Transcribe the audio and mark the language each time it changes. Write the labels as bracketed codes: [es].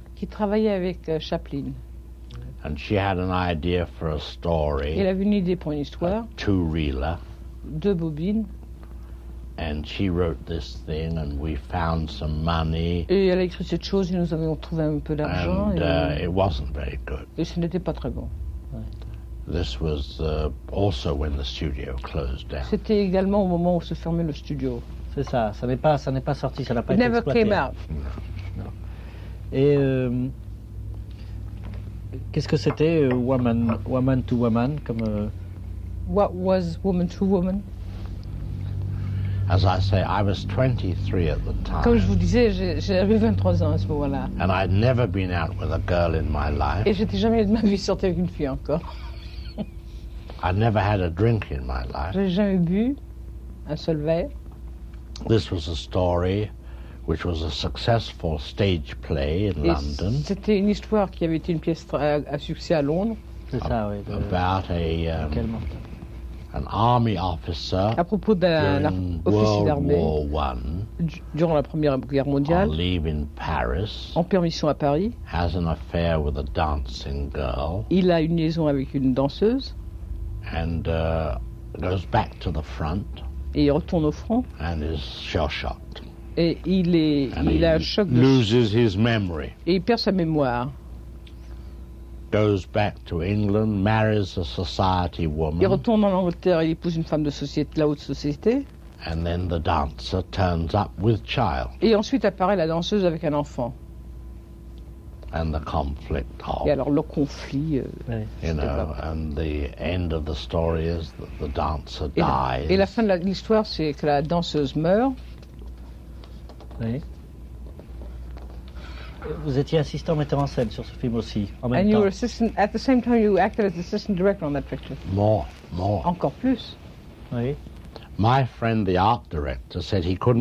[fr] Qui travaillait avec Chaplin. [en] And she had an idea for a story. [fr] Elle avait une idée pour une histoire. [en] Two reeler. [fr] Deux bobines. [en] And she wrote this thing, and we found some money. [fr] Et elle a écrit cette chose, et nous avons trouvé un peu d'argent. [en] And it wasn't very good. [fr] Et ce n'était pas très bon. [en] This was also when the studio closed down. [fr] C'était également au moment où se fermait le studio. C'est ça. Ça n'est pas sorti. Ça n'a pas été exploité. [en] It never came out. [fr] Et qu'est-ce que c'était, woman to woman, comme [en] What was woman to woman? As I say, I was 23 at the time. [fr] Comme je vous disais, j'avais 23 ans à ce moment-là. [en] And I'd never been out with a girl in my life. [fr] Et j'étais jamais de ma vie sorti avec une fille encore. [en] I'd never had a drink in my life. [fr] J'ai jamais bu un seul verre. [en] This was a story which was a successful stage play in [fr] Et [en] London. [fr] C'était une histoire qui avait été une pièce à succès à Londres. C'est ça, oui. [en] About a an army officer [fr] à propos d'un officier d'armée [en] World War I, [fr] durant la Première Guerre mondiale, [en] on leave in Paris, [fr] en permission à Paris, [en] has an affair with a dancing girl, [fr] il a une liaison avec une danseuse, [en] and goes back to the front, [fr] et il retourne au front, [en] and is shell-shocked, [fr] et il a un choc de [en] loses his memory, [fr] et il perd sa mémoire. [en] Goes back to England, marries a society woman. [fr] Il retourne en Angleterre et épouse une femme de société, la haute société. [en] And then the dancer turns up with child. [fr] Et ensuite apparaît la danseuse avec un enfant. [en] And the conflict of. [fr] Et alors le conflit. [en] And the end of the story is that the dancer [fr] et [en] dies. [fr] Et la fin de l'histoire, c'est que la danseuse meurt. Oui. Vous étiez assistant metteur en scène sur ce film aussi, en même temps. [en] And you were assistant, at the same time you acted as assistant director on that picture. More. [fr] Encore plus. Oui. [en] My friend, the art director, said he couldn't